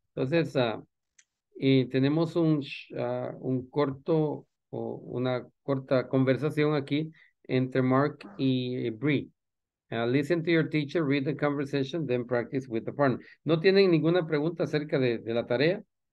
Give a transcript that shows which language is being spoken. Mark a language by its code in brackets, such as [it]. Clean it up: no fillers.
[es] Entonces, y tenemos un corto o una corta conversación aquí entre Mark y Bree. [en] Listen to your teacher, read the conversation, then practice with the partner. [es] ¿No tienen ninguna pregunta acerca de la tarea?